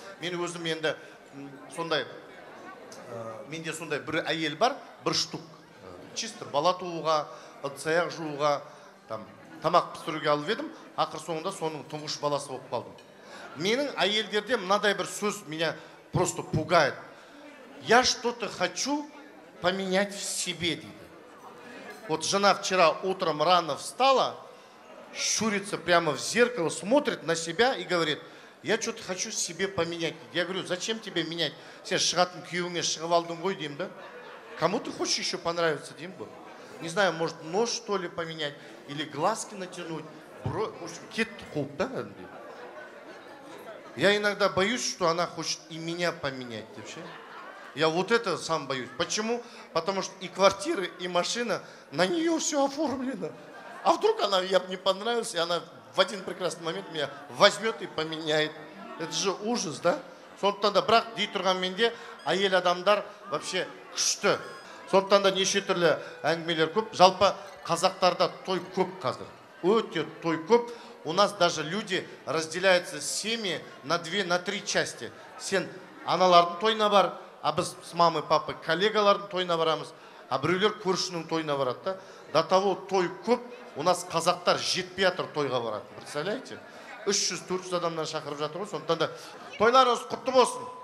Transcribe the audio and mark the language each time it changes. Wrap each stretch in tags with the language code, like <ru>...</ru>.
<kk>Мен өзім енді сондай, менде сондай бір әйел бар, бір штук. Чисто бала тууға, ыдыс-аяқ жууға, там, тамақ пісіруге алып едім, ақыр соңында соның тұңғыш баласы болып қалдым. Менің әйелдерде мынадай бір сөз</kk> <ru>меня просто пугает. Я что-то хочу поменять в себе, дейді. Вот жена вчера утром рано встала, щурится прямо в зеркало, смотрит на себя и говорит: я что-то хочу себе поменять. Я говорю: зачем тебе менять?</ru> <kk>Сен шығатын күйеуіңе шығып алдың ғой, деймін да.</kk> <ru>Кому ты хочешь еще понравиться,</ru> <kk>деймін бұл?</kk> <ru>Не знаю, может, нож что ли поменять, или глазки натянуть, в общем,</ru> <kk>кетті қуып,</kk> <ru>да? Я иногда боюсь, что она хочет и меня поменять вообще. Я вот это сам боюсь. Почему? Потому что и квартира, и машина, на нее все оформлено. А вдруг она, я бы не понравился, и она в один прекрасный момент меня возьмет и поменяет. Это же ужас, да?</ru> <kk>Сондықтан да, бірақ дей тұрған менде, әйел адамдар вообще күшті. Сондықтан да неше түрлі әңгімелер көп. Жалпы қазақтарда той көп қазір. Өте той көп.</kk> <ru>У нас даже люди разделяются семьи на две, на три части.</ru> <kk>Сен аналардың тойына бар, а біз</kk> <ru>с мамой, папой</ru> <kk>коллегалардың тойына барамыз, а біреулер көршінің тойына барады да. До того той көп, у нас қазақтар жетпей атыр тойға барады. Представляете? 300-400 адамнан шақырып жатыр ғой, сондықтан да тойларыңыз құтты болсын.</kk>